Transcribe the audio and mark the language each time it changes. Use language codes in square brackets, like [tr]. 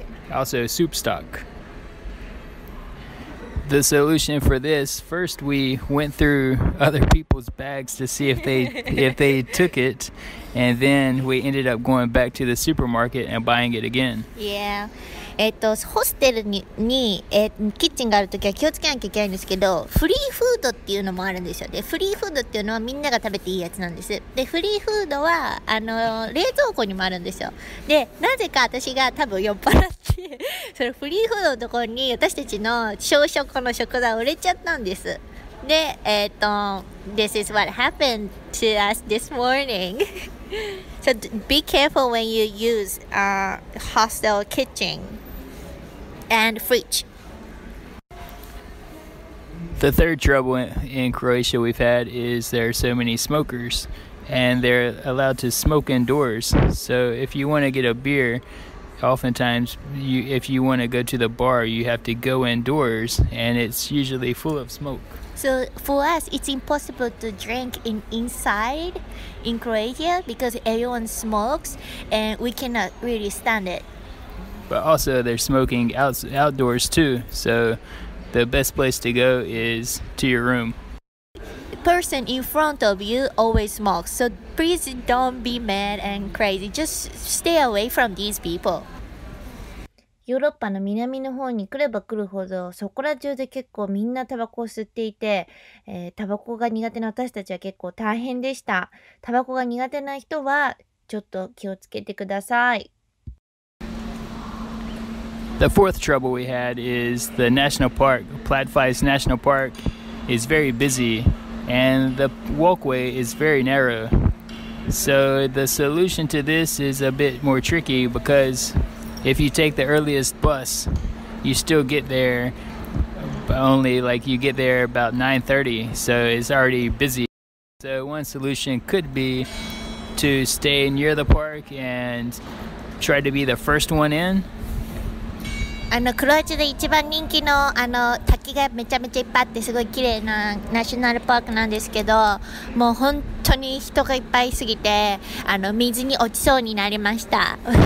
[en] Also soup stock. The solution for this, first we went through other people's bags to see if they if they took it, and then we ended up going back to the supermarket and buying it again. Yeah. [ja] ホステルに、キッチンがあるときは気をつけなきゃいけないんですけど、フリーフードっていうのもあるんですよ。で、フリーフードっていうのはみんなが食べていいやつなんです。で、フリーフードは、冷蔵庫にもあるんですよ。で、なぜか私が多分酔っ払って、そのフリーフードのところに私たちの小食の食材を入れちゃったんです。 [en] で、This is what happened to us this morning. So be careful when you use a hostel kitchen and fridge. The third trouble in Croatia we've had is there are so many smokers and they're allowed to smoke indoors. So if you want to get a beer, oftentimes if you want to go to the bar, you have to go indoors and it's usually full of smoke. So for us, it's impossible to drink inside in Croatia because everyone smokes and we cannot really stand it. But also they're smoking outdoors too, so the best place to go is to your room. The person in front of you always smokes, so please don't be mad and crazy. Just stay away from these people. [ja] ヨーロッパの南の方に来れば来るほどそこら中で結構みんなタバコを吸っていて、タバコが苦手な私たちは結構大変でした。タバコが苦手な人はちょっと気をつけてください。 [en] The fourth trouble we had is the national park, Plitvice National Park, is very busy and the walkway is very narrow. So the solution to this is a bit more tricky becauseIf you take the earliest bus, you still get there, but only like you get there about 9:30, so it's already busy. So one solution could be to stay near the park and try to be the first one in. [ja] クロアチアで一番人気の、滝がめちゃめちゃいっぱいあってすごい綺麗なナショナルパークなんですけど、もう本当に人がいっぱいすぎて、水に落ちそうになりました。